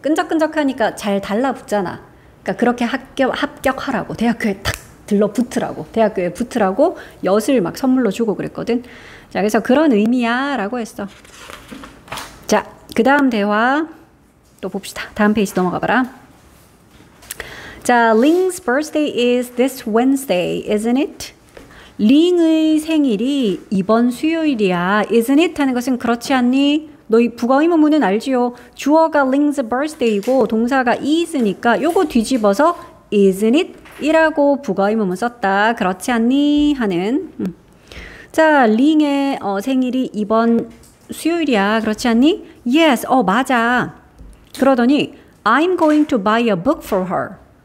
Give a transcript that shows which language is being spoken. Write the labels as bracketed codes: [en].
[ko] 끈적끈적하니까 잘 달라붙잖아. 그러니까 그렇게 합격하라고. 대학교에 탁! 들러붙으라고. 대학교에 붙으라고 엿을 막 선물로 주고 그랬거든. 자, 그래서 그런 의미야 라고 했어. 자, 그 다음 대화 또 봅시다. 다음 페이지 넘어가 봐라. [en] 자, Ling's birthday is this Wednesday, isn't it? [ko] Ling의 생일이 이번 수요일이야, [en] isn't it? [ko] 하는 것은 그렇지 않니? 너희 부가 의문문은 알지요? 주어가 [en] Ling's birthday [ko] 이고 동사가 is니까 요거 뒤집어서 [en] isn't it? [ko] 이라고 부가 의문문 썼다. 그렇지 않니? 하는. 자, 링의 생일이 이번 수요일이야. 그렇지 않니? [en] Yes. [ko] 맞아. [en] 그러더니 I'm going to buy a book for her.